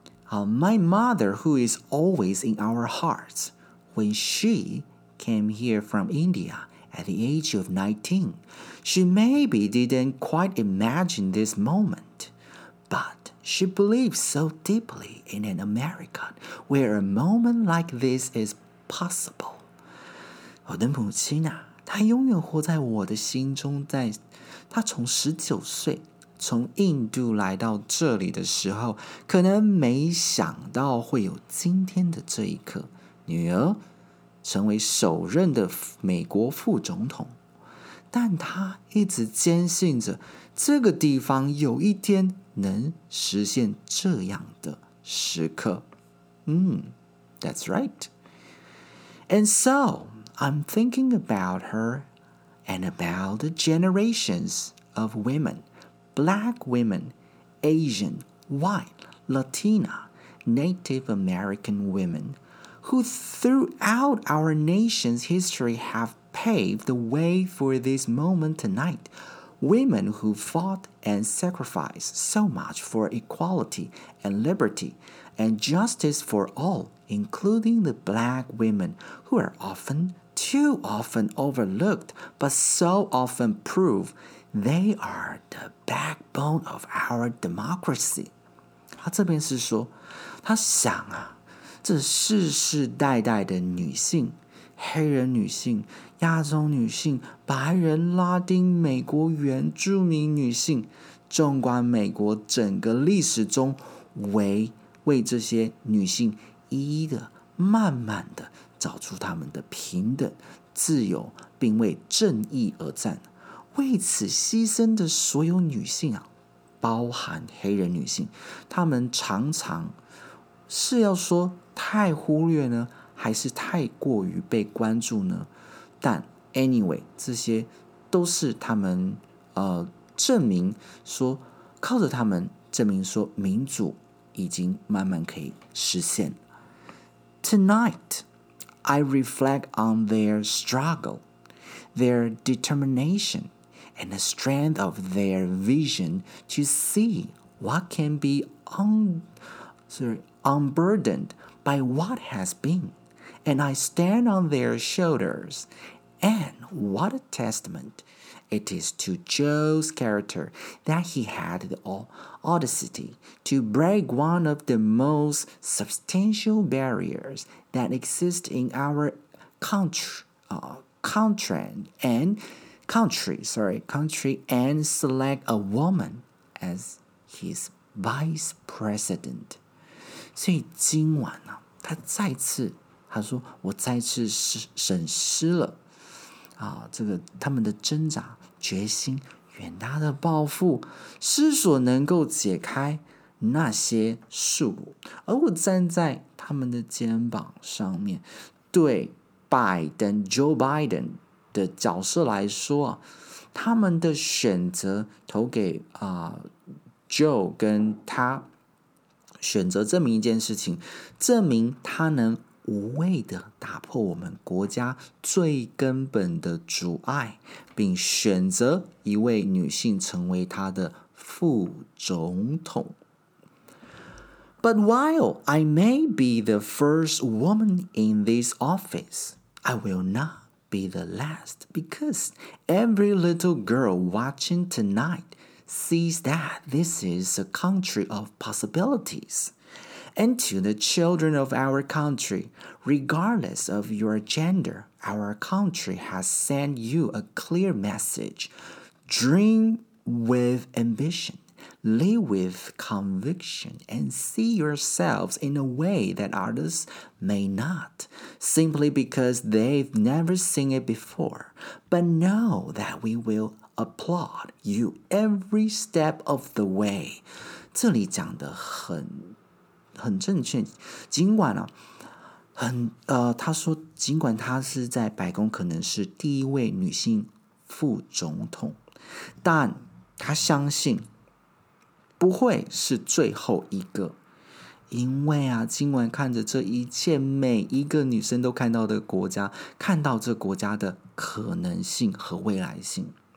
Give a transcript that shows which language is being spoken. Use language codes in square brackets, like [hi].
[en] My mother who is always in our heartsWhen she came here from India at the age of 19, she maybe didn't quite imagine this moment. But she believes so deeply in an America where a moment like this is possible. [zh] 我的母亲啊，她永远活在我的心中，在她从19岁从印度来到这里的时候，可能没想到会有今天的这一刻。女儿成为首任的美国副总统，但她一直坚信着这个地方有一天能实现这样的时刻。 [en] That's right. And so, I'm thinking about her and about the generations of women, black women, Asian, white, Latina, Native American women,who throughout our nation's history have paved the way for this moment tonight. Women who fought and sacrificed so much for equality and liberty and justice for all, including the black women, who are often, too often overlooked, but so often prove they are the backbone of our democracy. [zh] 他这边是说，他想啊，这世世代代的女性黑人女性、亚洲女性、白人、拉丁、美国原住民女性，纵观美国整个历史中，为这些女性一一的、慢慢的找出她们的平等、自由，并为正义而战。为此牺牲的所有女性啊，包含黑人女性，她们常常是要说太忽略呢，还是太过于被关注呢？但 anyway， 这些都是他们证明说，靠着他们证明说民主已经慢慢可以实现。 [en] Tonight I reflect on their struggle, their determination, and the strength of their vision to see what can be unburdened by what has been, and I stand on their shoulders. And what a testament it is to Joe's character that he had the audacity to break one of the most substantial barriers that exist in our country and select a woman as his vice president. [zh] 所以今晚呢、啊，他再次他说我再次审视了啊，这个他们的挣扎、决心、远大的抱负，是否能够解开那些束缚，而我站在他们的肩膀上面，对拜登 Joe Biden 的角色来说，他们的选择投给 Joe 跟他选择证明一件事情，证明他能无畏的打破我们国家最根本的阻碍，并选择一位女性成为他的副总统。 [en] But while I may be the first woman in this office, I will not be the last, because every little girl watching tonight sees that this is a country of possibilities. And to the children of our country, regardless of your gender, our country has sent you a clear message. Dream with ambition. Live with conviction and see yourselves in a way that others may not, simply because they've never seen it before. But know that we will applaud you every step of the way. [zh] 这里讲得很正确，尽管啊，他说尽管他是在白宫可能是第一位女性副总统，但他相信不会是最后一个，因为啊，今晚看着这一切，每一个女生都看到的国家，看到这国家的可能性和未来性。